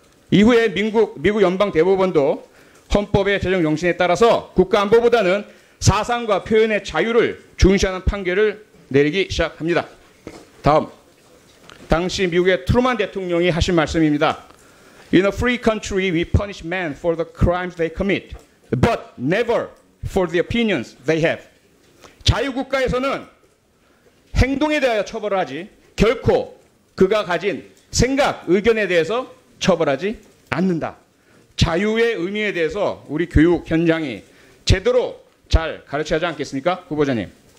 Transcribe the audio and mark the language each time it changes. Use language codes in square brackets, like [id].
[ko] 이후에 미국 연방 대법원도 헌법의 제정 정신에 따라서 국가안보보다는 사상과 표현의 자유를 중시하는 판결을 내리기 시작합니다. 다음, 당시 미국의 트루먼 대통령이 하신 말씀입니다. [en] In a free country, we punish men for the crimes they commit, but never for the opinions they have. [ko] 자유국가에서는 행동에 대하여 처벌을 하지 결코 그가 가진 생각, 의견에 대해서 처벌하지 않는다. 자유의 의미에 대해서 우리 교육 현장이 제대로 잘 가르쳐야 하지 않겠습니까? 후보자님.